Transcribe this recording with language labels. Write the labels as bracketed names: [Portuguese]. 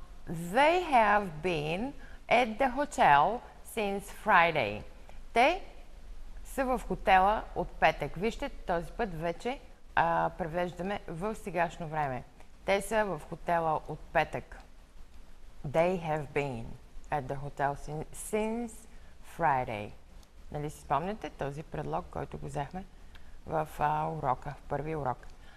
[English] They have been at the hotel since Friday. [Bulgarian] Те са в хотела от петък. Вижте, този път вече превеждаме в сегашно време. Те са в хотела от петък. [English] They have been at the hotel since Friday. [Bulgarian] Нали си спомняте този предлог, който го взехме в урока, в първи урок?